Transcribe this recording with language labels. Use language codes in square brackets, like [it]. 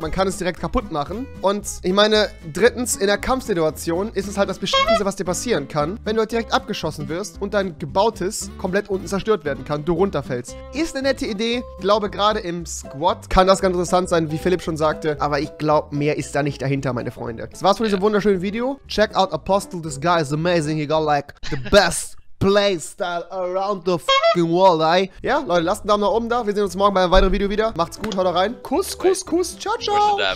[de] Man kann es direkt kaputt machen. Und ich meine, drittens, in der Kampfsituation ist es halt das Beschissenste, was dir passieren kann, wenn du halt direkt abgeschossen wirst und dein Gebautes komplett unten zerstört werden kann, du runterfällst. Ist eine nette Idee. Ich glaube, gerade im Squad kann das ganz interessant sein, wie Philipp schon sagte. Aber ich glaube, mehr ist da nicht dahinter, meine Freunde. Das war's für diesem wunderschönen Video. [en] Check out Apostle. This guy is amazing. He got like the best playstyle around the fucking world, ey. [de] Ja, Leute, lasst einen Daumen nach oben da. Wir sehen uns morgen bei einem weiteren Video wieder. Macht's gut, haut rein. Kuss, Kuss, Kuss. Ciao, ciao.